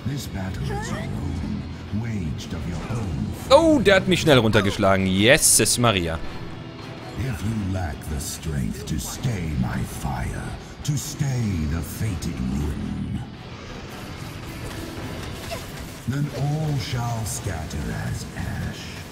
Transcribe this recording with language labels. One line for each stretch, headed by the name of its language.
English: This battle is your own, waged of your own.
German: Oh, der hat mich schnell runtergeschlagen. Yes, es Maria.
English: If you lack the strength to stay my fire, to stay the fated ruin, then all shall scatter as ash.